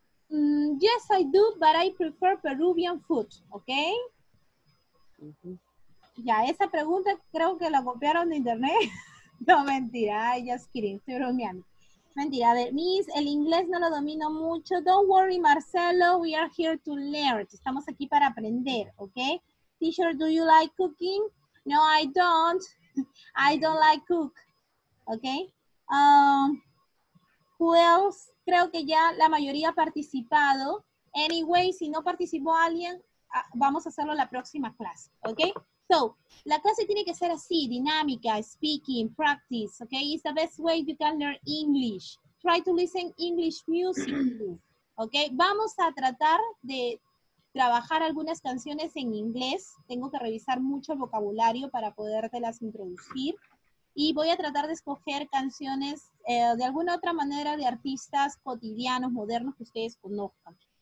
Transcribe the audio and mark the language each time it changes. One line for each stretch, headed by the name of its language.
English: Yes, I do, but I prefer Peruvian food, okay? Uh-huh.
Spanish: Ya, esa pregunta creo que la copiaron de internet. No, mentira,
English: just kidding,
Spanish: estoy bromeando. Mentira, a ver, Miss, el inglés no lo domino mucho.
English: Don't worry, Marcelo, we are here to learn.
Spanish: Estamos aquí para aprender,
English: okay? Teacher, do you like cooking? No, I don't. I don't like cook. Okay. Who else?
Spanish: Creo que ya la mayoría ha participado. Anyway, si no participó alguien, vamos a hacerlo la próxima clase. Okay. So, la clase tiene que ser así, dinámica, speaking, practice.
English: Okay. It's the best way you can learn English. Try to listen English music. Okay.
Spanish: Vamos a tratar de trabajar algunas canciones en inglés. Tengo que revisar mucho el vocabulario para podértelas introducir. Y voy a tratar de escoger canciones de alguna otra manera de artistas cotidianos, modernos, que ustedes conozcan.